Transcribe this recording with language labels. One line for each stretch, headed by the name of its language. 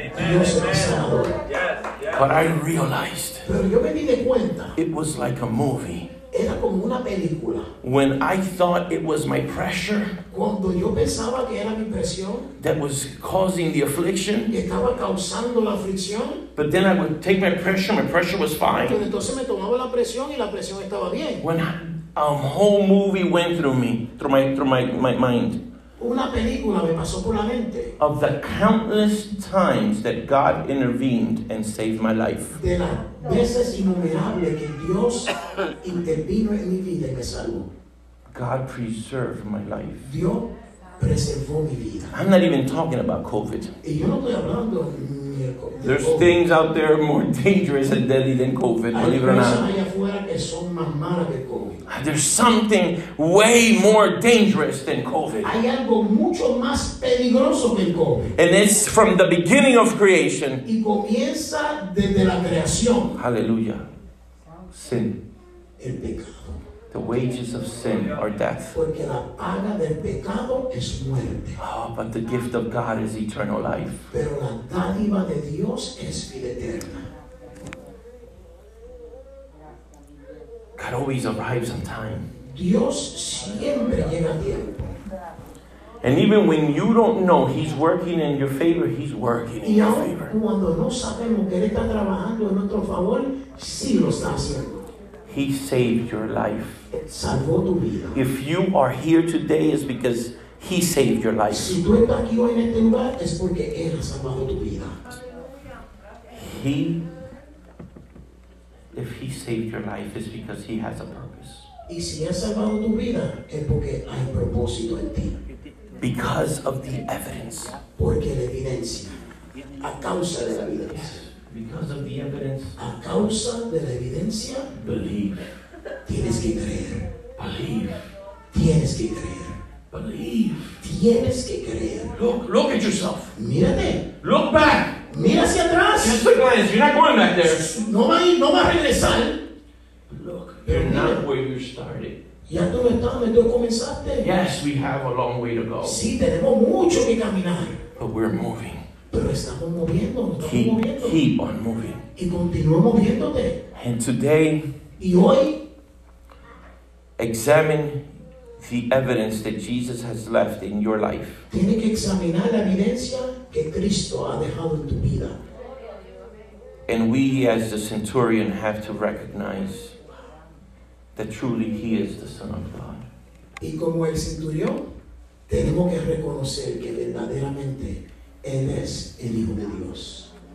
English: But I realized it was like a movie.
Spanish: Era como una película.
English: When I thought it was my pressure,
Spanish: cuando yo pensaba que era mi presión,
English: that was causing the affliction,
Spanish: que estaba causando la aflicción,
English: but then I would take my pressure was fine.
Spanish: Pues entonces me tomaba la presión y la presión estaba bien.
English: When a whole movie went through me, through my mind.
Spanish: Una película me pasó por la mente.
English: Of the countless times that God intervened and saved my life.
Spanish: De las veces innumerables que Dios intervino en mi vida y me salvó.
English: God preserved my life.
Spanish: Dios preservó mi vida.
English: I'm not even talking about COVID.
Spanish: Y yo no estoy hablando de COVID.
English: There's things out there more dangerous and deadly than COVID, believe it or not.
Spanish: Hay cosas allá afuera que son más malas que COVID.
English: There's something way more dangerous than COVID.
Spanish: Hay algo mucho más peligroso que el COVID.
English: And it's from the beginning of creation.
Spanish: Y comienza desde la creación.
English: Hallelujah. Sin.
Spanish: El pecado.
English: The wages of sin are death.
Spanish: Porque la paga del pecado es muerte.
English: Oh, but the gift of God is eternal life.
Spanish: Pero la dádiva de Dios es vida eterna.
English: God always arrives on time.
Spanish: Dios siempre llega a tiempo.
English: And even when you don't know he's working in your favor, he's working in your favor.
Spanish: Cuando no sabemos que él está trabajando en nuestro favor, sí lo está haciendo.
English: He saved your life.
Spanish: Salvó tu vida.
English: If you are here today, it's because he saved your life.
Spanish: Si tú estás aquí hoy en este lugar, es porque él ha salvado tu vida.
English: If he saved your life, it's because he has a purpose.
Spanish: Y si ha salvado tu vida, es porque hay propósito en ti.
English: Because of the evidence.
Spanish: Porque la evidencia. A causa de la evidencia. Yes.
English: Because of the evidence.
Spanish: A causa de la evidencia.
English: Believe.
Spanish: Tienes que creer.
English: Believe.
Spanish: Tienes que creer.
English: Believe.
Spanish: Tienes que creer.
English: Look at yourself.
Spanish: Mírate.
English: Look back.
Spanish: Mira hacia atrás.
English: Just a glance. You're not going back there.
Spanish: No va a regresar.
English: Look, you're not where you started.
Spanish: Ya tú no estás donde tú comenzaste.
English: Yes, we have a long way to go.
Spanish: Sí, tenemos mucho que caminar.
English: But we're moving.
Spanish: Pero estamos moviendo.
English: Keep on moving.
Spanish: Y continúa moviéndote.
English: And today.
Spanish: Y hoy.
English: Examine the evidence that Jesus has left in your life.
Spanish: Tiene que examinar la evidencia que Cristo ha dejado en tu vida.
English: And we as the centurion have to recognize that truly he is the Son of God.
Spanish: Y como el centurión, tenemos que reconocer que verdaderamente él es el Hijo de Dios.